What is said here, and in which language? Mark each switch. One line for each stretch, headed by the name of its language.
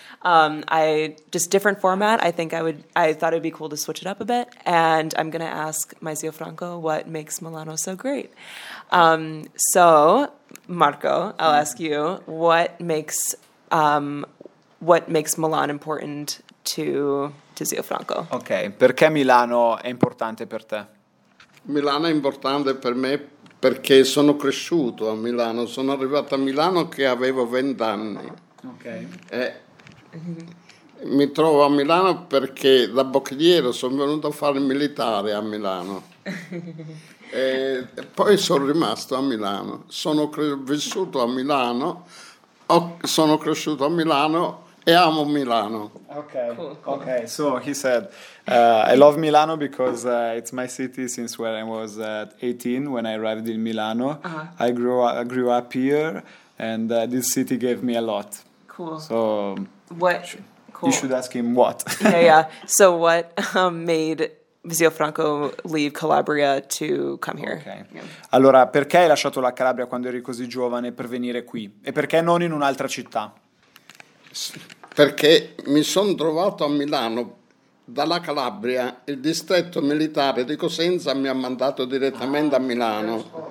English: I just different format. I thought it'd be cool to switch it up a bit, and I'm gonna ask my Zio Franco what makes Milano so great. So Marco, I'll ask you, what makes Milan important to Zio Franco?
Italian: Okay, perché Milano è importante per te? Milano è importante per me perché sono cresciuto a Milano, sono arrivato a Milano che avevo 20 anni. Okay. Mi trovo a Milano perché da bocchiere sono venuto a fare il militare a Milano. Poi sono rimasto a Milano, sono vissuto a Milano, sono cresciuto a Milano e amo Milano. Okay.
English: So he said, I love Milano because it's my city since when I was 18, when I arrived in Milano. Uh-huh. I grew up here, and this city gave me a lot. Cool. So what? You should ask him what. Yeah. So what made Zio Franco leave Calabria to come here? Okay. Yeah.
Italian: Allora, perché hai lasciato la Calabria quando eri così giovane per venire qui? E perché non in un'altra città? Perché mi sono trovato a Milano dalla Calabria, il distretto militare di Cosenza mi ha mandato direttamente a Milano.